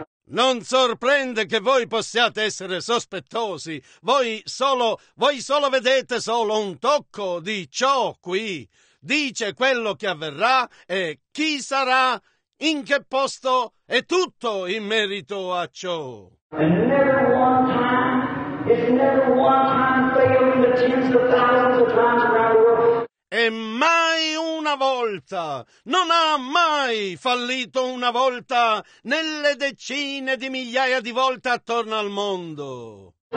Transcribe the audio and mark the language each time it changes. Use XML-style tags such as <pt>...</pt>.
<it>Non sorprende che voi possiate essere sospettosi. Voi solo vedete solo un tocco di ciò qui. Dice quello che avverrà e chi sarà, in che posto, è tutto in merito a ciò.</it> <en>And never one time, it's never one time failing the tens of thousands of times around the world.</en> <it>E mai una volta, non ha mai fallito una volta nelle decine di migliaia di volte attorno al mondo.</it>